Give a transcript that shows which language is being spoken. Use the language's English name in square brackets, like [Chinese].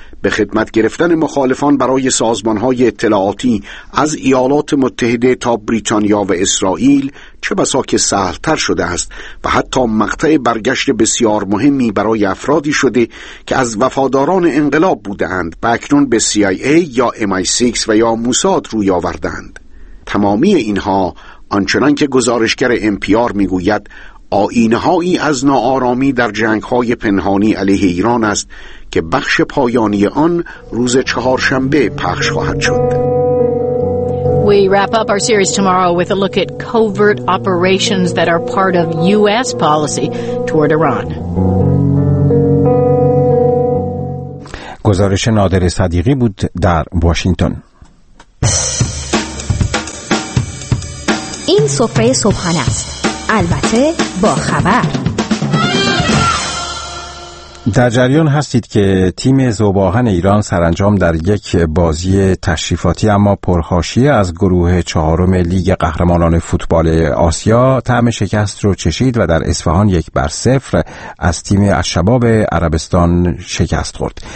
[Persian] به خدمت گرفتن مخالفان برای سازمان‌های اطلاعاتی از ایالات متحده تا بریتانیا و اسرائیل چه بسا که سهل‌تر شده است و حتی مقطع برگشت بسیار مهمی برای افرادی شده که از وفاداران انقلاب بودند و اکنون به CIA یا MI6 و یا موساد روی آوردند. تمامی اینها آنچنان که گزارشگر NPR می‌گوید آیین‌هایی از ناآرامی در جنگ‌های پنهانی علیه ایران است که بخش پایانی آن روز چهارشنبه پخش خواهد شد. [English] We wrap up our series tomorrow with a look at covert operations that are part of US policy toward Iran. [Persian] گزارش نادر صدیقی بود در واشنگتن. این سفره صبحانه است. البته با خبر. در جریان هستید که تیم ذوب‌آهن ایران سرانجام در یک بازی تشریفاتی اما پرحاشیه از گروه چهارم لیگ قهرمانان فوتبال آسیا طعم شکست رو چشید و در اصفهان 1-0 از تیم الشباب عربستان شکست خورد.